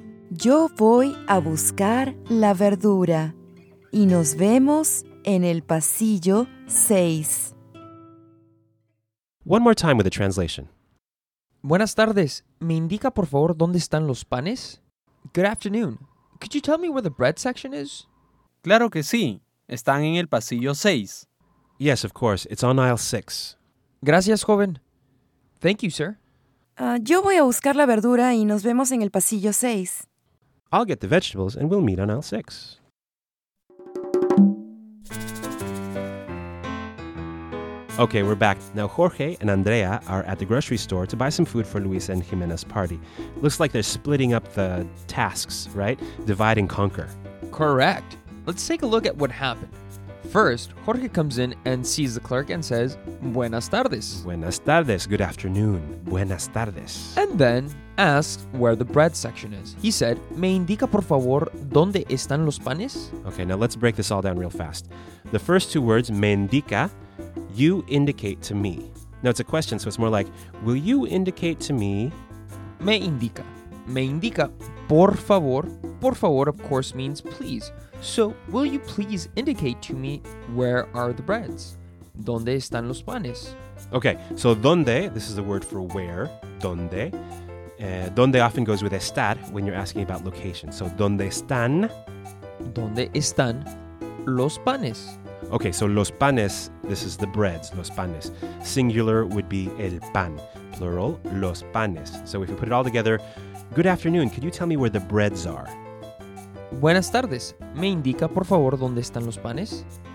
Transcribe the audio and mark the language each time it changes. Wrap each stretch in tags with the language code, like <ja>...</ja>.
<es>Yo voy a buscar la verdura y nos vemos en el pasillo 6.</es> <en>One more time with the translation.</en> <es>Buenas tardes. ¿Me indica, por favor, dónde están los panes?</es> <en>Good afternoon. Could you tell me where the bread section is?</en> <es>Claro que sí. Están en el pasillo 6.</es> <en>Yes, of course. It's on aisle 6.</en> <es>Gracias, joven.</es> <en>Thank you, sir.</en> <es>Yo voy a buscar la verdura y nos vemos en el pasillo 6.</es> <en>I'll get the vegetables and we'll meet on aisle 6. Okay, we're back. Now Jorge and Andrea are at the grocery store to buy some food for Luis and Jimena's party. Looks like they're splitting up the tasks, right? Divide and conquer. Correct. Let's take a look at what happened. First, Jorge comes in and sees the clerk and says,</en> <es>Buenas tardes. Buenas tardes.</es> <en>Good afternoon.</en> <es>Buenas tardes.</es> <en>And then asks where the bread section is. He said,</en> <es>¿Me indica, por favor, dónde están los panes?</es> <en>Okay, now let's break this all down real fast. The first two words,</en> <es>me indica,</es> <en>you indicate to me. Now it's a question, so it's more like, will you indicate to me?</en> <es>Me indica. Me indica, por favor. Por favor,</es> <en>of course, means please. So, will you please indicate to me where are the breads?</en> <es>¿Dónde están los panes?</es> <en>Okay, so ¿dónde? This is the word for where. ¿Dónde? ¿Dónde often goes with estar when you're asking about location.</en> <es>So, ¿dónde están? ¿Dónde están los panes?</es> <en>Okay, so los panes, this is the breads, los panes. Singular would be el pan.</en> <es>Plural, los panes.</es> <en>So, if you put it all together, good afternoon, could you tell me where the breads are?</en> <es>Buenas tardes. ¿Me indica, por favor, dónde están los panes?</es>